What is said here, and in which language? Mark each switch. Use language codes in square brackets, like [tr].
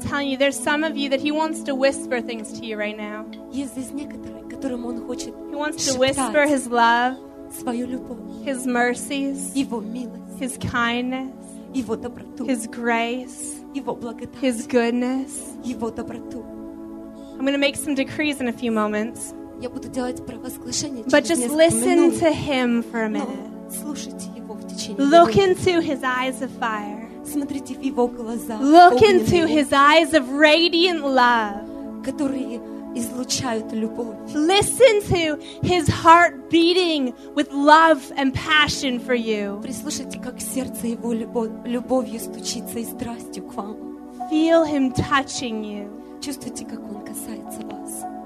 [en] I'm telling you, there's some of you that He wants to whisper things to you right now. [ru] Есть здесь некоторые, которым Он хочет. [en] He wants to whisper His love. [ru] Свою любовь. [en] His mercies. [ru] Его милость. [en] His kindness. [ru] Его доброту. [en] His grace. [ru] Его благодать. [en] His goodness. [ru] Его доброту. [en] I'm going to make some decrees in a few moments. [ru] Я буду делать провозглашение. [en] But just listen to him for a minute. [ru] Слушайте его в течение минуты. [en] Look into his eyes of fire. [ru] Смотрите в его глаза. [en] Look into his eyes of radiant love. [ru] Которые излучают любовь. [en] Listen to his heart beating with love and passion for you. [ru] Прислушайте, как сердце его любовью стучится и страстью к вам. [en] Feel him touching you. [ru] Чувствуйте, как он касается вас.